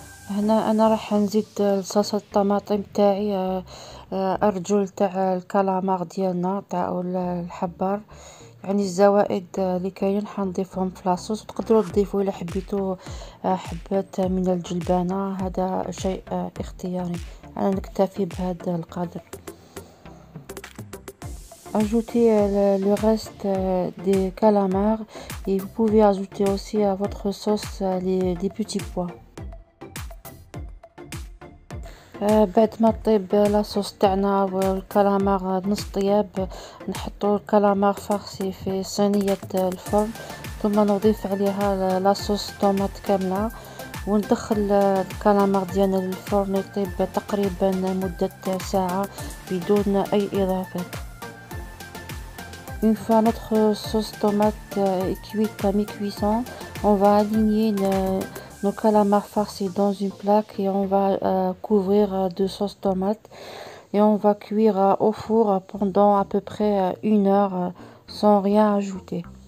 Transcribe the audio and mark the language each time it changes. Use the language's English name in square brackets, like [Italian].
[Arabic] هنا انا راح نزيد صلصه الطماطم تاعي، ارجل تاع الكالامار ديالنا تاع الحبار، يعني الزوائد اللي كاين حنضيفهم في لاصوص. تقدروا تضيفوا الا حبيتوا حبات من الجلبانه، هذا شيء اختياري، انا نكتفي بهذا القدر. [French] Ajoutez le reste des calamars et vous pouvez ajouter aussi à votre sauce les petits pois. [Arabic] بعد ما طيب لاصوص تاعنا والكالامار نص طياب، نحطو الكالامار فارسي في صينية الفرن، ثم نضيف عليها لاصوص طوماط كاملة وندخل الكالامار ديالنا للفرن يطيب تقريبا مدة ساعة بدون أي إضافات. [French] Une fois notre sauce tomate cuite à mi-cuisson, on va aligner nos calamars farcis dans une plaque et on va couvrir de sauce tomate et on va cuire au four pendant à peu près une heure sans rien ajouter.